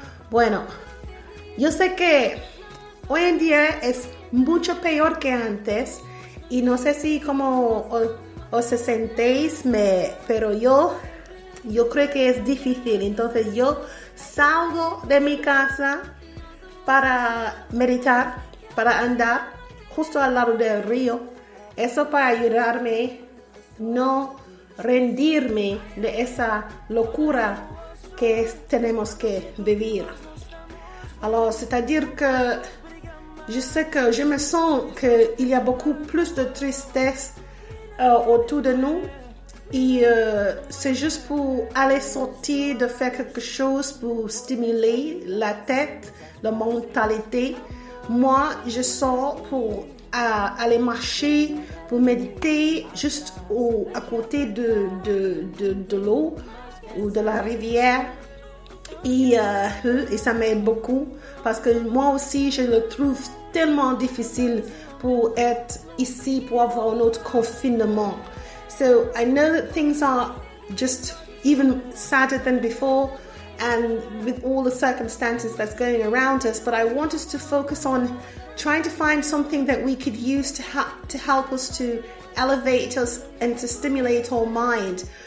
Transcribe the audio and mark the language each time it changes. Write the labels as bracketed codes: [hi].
[es] Bueno, yo sé que hoy en día es mucho peor que antes y no sé si como os sentéis, pero yo creo que es difícil, entonces yo salgo de mi casa para meditar, para andar justo al lado del río. Eso para ayudarme no rendirme de esa locura que tenemos que vivir. [fr] Alors, c'est-à-dire que je sais que je me sens qu'il y a beaucoup plus de tristesse autour de nous. Et c'est juste pour aller sortir, de faire quelque chose pour stimuler la tête, la mentalité. Moi, je sors pour aller marcher, pour méditer juste à côté de l'eau ou de la rivière. Et ça m'aide beaucoup parce que moi aussi, je le trouve tellement difficile pour être ici, pour avoir un autre confinement. [en] So I know that things are just even sadder than before and with all the circumstances that's going around us, but I want us to focus on trying to find something that we could use to help us to elevate us and to stimulate our mind.